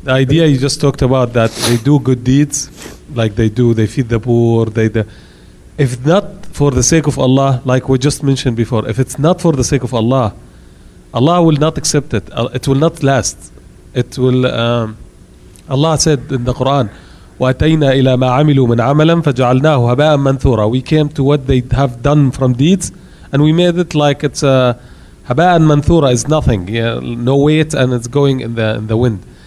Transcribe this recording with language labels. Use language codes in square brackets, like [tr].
[en] The idea you just talked about, that they do good deeds, like they feed the poor, if not for the sake of Allah, like we just mentioned before, if it's not for the sake of Allah, Allah will not accept it. It will not last. It will. Allah said in the Quran, [ar] وَأَتَيْنَا إِلَى مَا عَمِلُوا مِنْ عَمَلًا فَجَعَلْنَاهُ هَبَاءً مَنْثُورًا. [en] We came to what they have done from deeds, and we made it like it's a. Haba'an manthura is nothing, you know, no weight, and it's going in the wind.